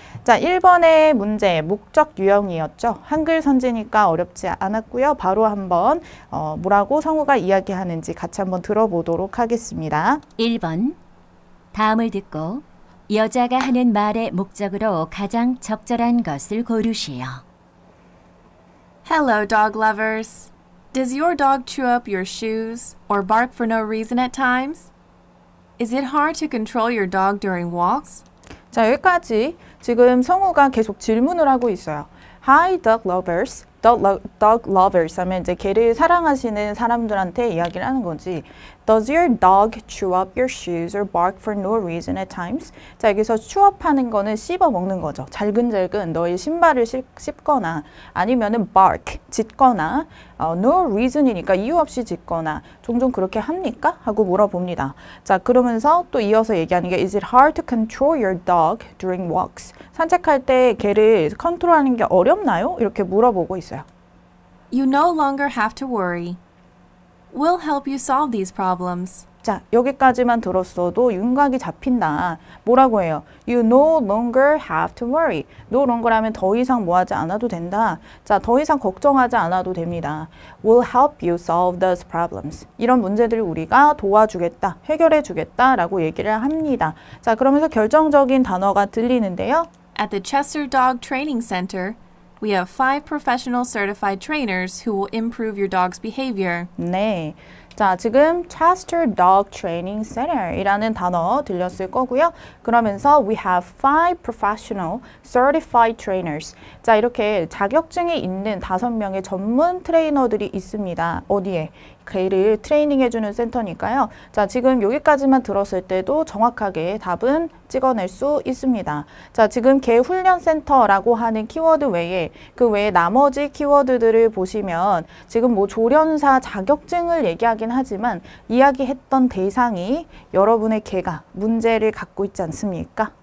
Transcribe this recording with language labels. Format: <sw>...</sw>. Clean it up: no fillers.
<ko>자, 1번의 문제, 목적 유형이었죠. 한글 선지니까 어렵지 않았고요. 바로 한번 뭐라고 성우가 이야기하는지 같이 한번 들어보도록 하겠습니다. 1번. 다음을 듣고 여자가 하는 말의 목적으로 가장 적절한 것을 고르시오.</ko> <en>Hello, dog lovers. Does your dog chew up your shoes or bark for no reason at times? Is it hard to control your dog during walks?</en> <ko>자, 여기까지 지금 성우가 계속 질문을 하고 있어요.</ko> <en>Hi, dog lovers.</en> <ko>Dog lovers 하면 이제 개를 사랑하시는 사람들한테 이야기를 하는 거지.</ko> <en>Does your dog chew up your shoes or bark for no reason at times?</en> <ko>자, 여기서 chew up 하는 거는 씹어 먹는 거죠. 잘근잘근 너의 신발을 씹거나 아니면은 bark, 짖거나 no reason이니까 이유 없이 짖거나 종종 그렇게 합니까? 하고 물어봅니다. 자, 그러면서 또 이어서 얘기하는 게</ko> <en>Is it hard to control your dog during walks?</en> <ko>산책할 때 개를 컨트롤하는 게 어렵나요? 이렇게 물어보고 있어요.</ko> <en>You no longer have to worry. We'll help you solve these problems.</en> <ko>자, 여기까지만 들었어도 윤곽이 잡힌다. 뭐라고 해요?</ko> <en>You no longer have to worry.</en> <ko>No longer 하면 더 이상 뭐 하지 않아도 된다. 자, 더 이상 걱정하지 않아도 됩니다.</ko> <en>We'll help you solve those problems.</en> <ko>이런 문제들을 우리가 도와주겠다, 해결해주겠다라고 얘기를 합니다. 자, 그러면서 결정적인 단어가 들리는데요.</ko> <en>At the Chester Dog Training Center, we have five professional certified trainers who will improve your dog's behavior.</en> <ko>네. 자, 지금 Chester Dog Training Center 이라는 단어 들렸을 거고요. 그러면서</ko> <en>we have five professional certified trainers.</en> <ko>자, 이렇게 자격증이 있는 다섯 명의 전문 트레이너들이 있습니다. 어디에? 개를 트레이닝해 주는 센터니까요. 자, 지금 여기까지만 들었을 때도 정확하게 답은 찍어낼 수 있습니다. 자, 지금 개 훈련 센터라고 하는 키워드 외에 그 외에 나머지 키워드들을 보시면 지금 뭐 조련사 자격증을 얘기하긴 하지만 이야기했던 대상이 여러분의 개가 문제를 갖고 있지 않습니까?</ko>